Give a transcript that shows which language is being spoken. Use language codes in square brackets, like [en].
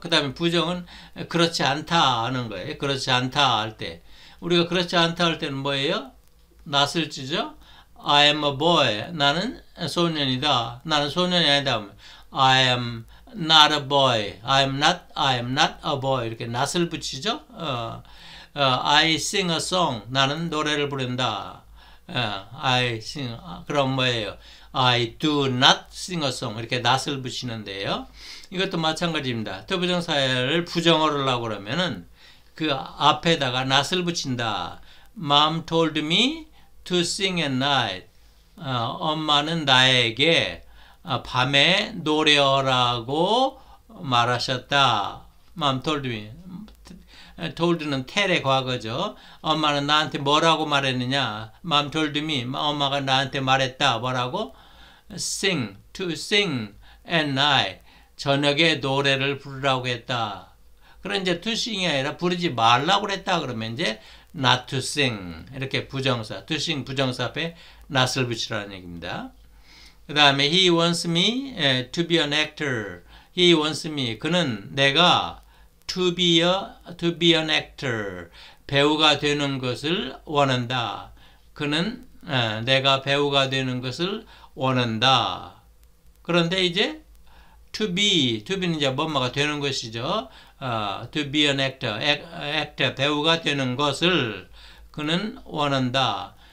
[ko] 그다음에 부정은 그렇지 않다 하는 거예요. 그렇지 않다 할 때 우리가 그렇지 않다 할 때는 뭐예요? Not을 쓰죠. [en] I am a boy. [ko] 나는 소년이다. 나는 소년이 아니다. [en] I am not a boy. I am not a boy. [ko] 이렇게 not을 붙이죠. [en] I sing a song. [ko] 나는 노래를 부른다. [en] I sing. [ko] 그럼 뭐예요? [en] I do not sing a song. [ko] 이렇게 not을 붙이는데요. 이것도 마찬가지입니다. 투부정사를 부정어를 하려고 그러면은 그 앞에다가 not을 붙인다. [en] Mom told me to sing at night. [ko] 엄마는 나에게 밤에 노래하라고 말하셨다. [en] Mom told me. [ko] told는 tell의 과거죠. 엄마는 나한테 뭐라고 말했느냐. [en] Mom told me. [ko] 엄마가 나한테 말했다. 뭐라고? Sing. [en] To sing at night. [ko] 저녁에 노래를 부르라고 했다. 그럼 이제 to sing이 아니라 부르지 말라고 했다. 그러면 이제 [en] not to sing. [ko] 이렇게 부정사. to sing 부정사 앞에 not을 붙이라는 얘기입니다. [en] 그 다음에 he wants me to be an actor. he wants me. [ko] 그는 내가 [en] to be an actor. [ko] 배우가 되는 것을 원한다. 그는 내가 배우가 되는 것을 원한다. 그런데 이제 to be는 이제 뭔가 되는 것이죠. [en] To be an actor, [ko] 배우가 되는 것을 그는 원한다.